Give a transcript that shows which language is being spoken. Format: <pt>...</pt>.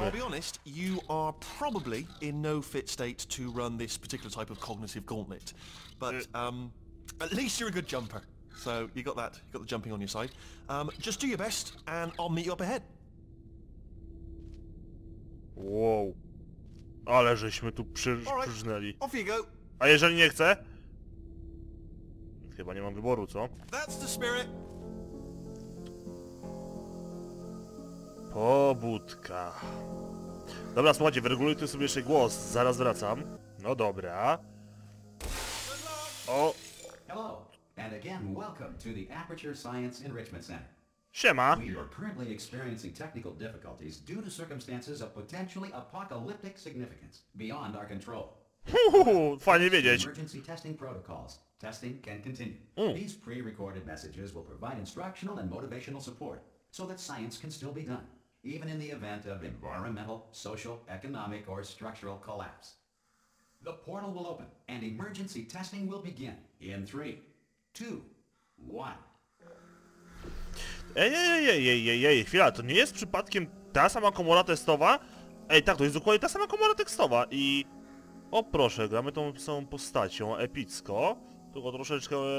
<en>Now, I'll be honest, you are probably in no fit state to run this particular type of cognitive gauntlet. But, at least you're a good jumper. So, you got that, you got the jumping on your side. Just do your best, and I'll meet you up ahead. Wow.</en> <pl>Ale żeśmy tu przyrżnęli.</pl> <en>Off you go.</en> <pl>A jeżeli nie chcę? Chyba nie mam wyboru, co?</pl> <en>That's the spirit.</en> <pl>Pobudka. Dobra, słuchajcie, wyreguluj ty sobie jeszcze głos. Zaraz wracam. No dobra. O!</pl> <en>Hello, and again welcome to the Aperture Science Enrichment Center.</en> <pl>Siema.</pl> <en>We are currently experiencing technical difficulties due to circumstances of potentially apocalyptic significance beyond our control.</en> <pl>Fajnie wiedzieć.</pl> <en>Emergency testing protocols. Testing can continue. These pre-recorded messages will provide instructional and motivational support so that science can still be done. Even in the event of environmental, social, economic, or structural collapse. The portal will open, and emergency testing will begin in 3, 2, 1.</en> <pl>Ej, chwila, to nie jest przypadkiem ta sama komora testowa? Ej, tak, to jest dokładnie ta sama komora tekstowa i... O proszę, gramy tą samą postacią, epicko. Tylko troszeczkę...</pl>